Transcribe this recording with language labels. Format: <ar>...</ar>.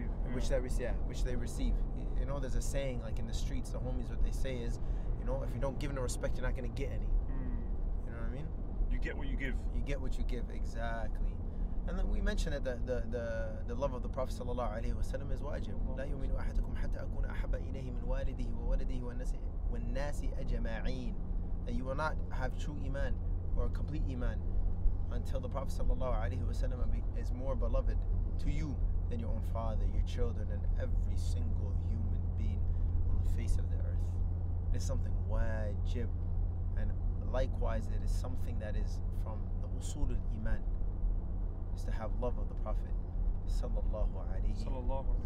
<en>Which they receive. You know, there's a saying like in the streets, the homies, what they say is, you know, if you don't give no respect, you're not going to get any. Mm. You know what I mean? You get what you give, exactly. And then we mentioned that the love of the Prophet sallallahu alaihi wasallam is wajib.</en> <ar>لا يؤمن أحدكم حتى أكون أحب إليه من والده وولده والناس أجمعين.</ar> <en>That you will not have true iman or complete iman until the Prophet sallallahu alaihi wasallam is more beloved to you than your own father, your children, and every single human being on the face of the earth. It is something wajib, and likewise, it is something that is from the usul al iman, is to have love of the Prophet sallallahu alaihi wasallam.</en>